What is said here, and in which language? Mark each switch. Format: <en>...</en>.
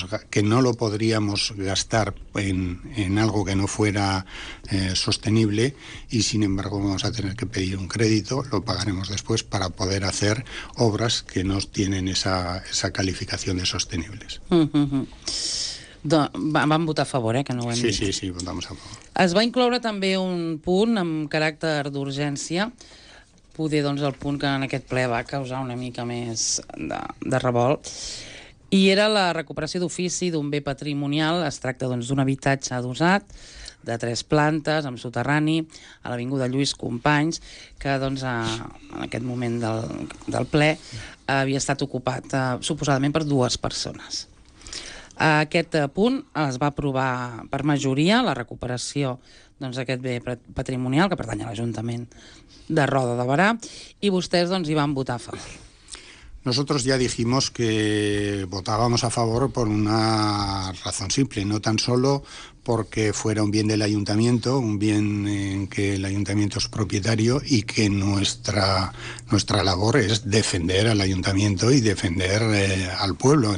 <es>que no lo podríamos gastar en algo que no fuera sostenible y sin embargo vamos a tener que pedir un crédito, lo pagaremos después para poder hacer obras que no tienen esa calificación de sostenibles.</es> <ca>Vam votar a favor, que no ho hem</ca> <es>dit. Sí, votamos a favor.</es> <ca>Es va incloure també un punt amb caràcter d'urgència, poder doncs el punt que en aquest ple va causar una mica més de revolt, i era la recuperació d'ofici d'un bé patrimonial. Es tracta doncs d'un habitatge adossat de 3 plantes amb soterrani a l'avinguda Lluís Companys, que doncs en aquest moment del ple havia estat ocupat suposadament per 2 persones. Aquest punt es va aprovar per majoria, la recuperació doncs d'aquest bé patrimonial que pertany a l'Ajuntament de Roda de Barà, i vostès doncs hi van votar a favor.</ca> <es>Nosotros ya dijimos que votábamos a favor por una razón simple, no tan solo porque fuera un bien del ayuntamiento, un bien en que el ayuntamiento es propietario y que nuestra labor es defender al ayuntamiento y defender al pueblo.</es>